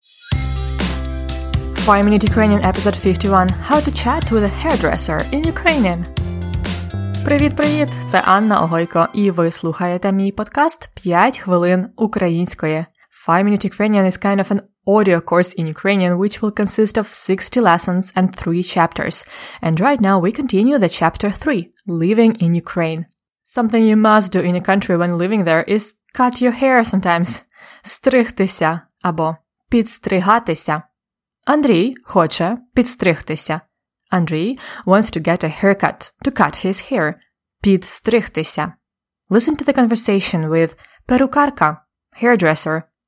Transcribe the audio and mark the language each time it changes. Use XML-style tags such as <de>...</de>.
<en>5 Minute Ukrainian Episode 51 – How to chat with a hairdresser in Ukrainian.</en> <uk>Привіт-привіт! Це Анна Огойко, і ви слухаєте мій подкаст «5 хвилин української».</uk> <en>5 Minute Ukrainian is kind of an audio course in Ukrainian, which will consist of 60 lessons and 3 chapters. And right now we continue the chapter 3 – Living in Ukraine. Something you must do in a country when living there is cut your hair sometimes.</en> <uk>Стригтися або підстригатися. Андрій хоче підстригтися.</uk> <en>Андрій wants to get a haircut, to cut his hair. Підстригтися. Listen to the conversation with перукарка, hairdresser.</en>